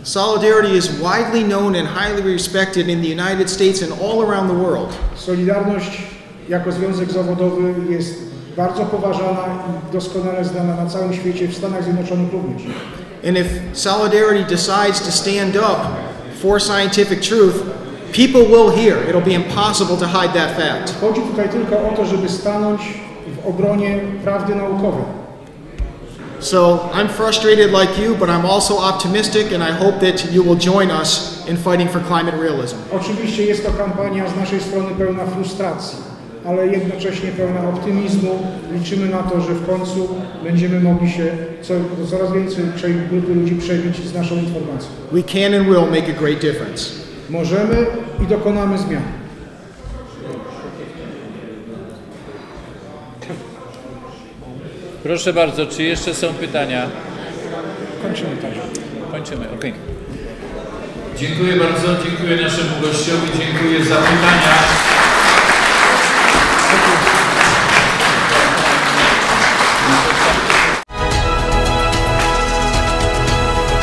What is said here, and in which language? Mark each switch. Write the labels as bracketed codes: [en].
[en] Solidarity is widely known and highly respected in the United States and all around the world. [pl] Solidarność jako związek zawodowy jest bardzo poważana i doskonale znana na całym świecie, w Stanach Zjednoczonych również. [en] And if Solidarity decides to stand up for scientific truth, people will hear. It'll be impossible to hide that fact. [pl] Chodzi tutaj tylko o to, żeby stanąć w obronie prawdy naukowej. [en] So I'm frustrated like you, but I'm also optimistic, and I hope that you will join us in fighting for climate realism. [pl] Oczywiście jest to kampania z naszej strony pełna frustracji, ale jednocześnie pełna optymizmu. Liczymy na to, że w końcu będziemy mogli się coraz więcej grupy ludzi przebić z naszą informacją. [en] We can and will make a great difference. [pl] Możemy i dokonamy zmian. Proszę bardzo, czy jeszcze są pytania? Kończymy tak. Kończymy, ok. Dziękuję bardzo, dziękuję naszemu gościowi, dziękuję za pytania.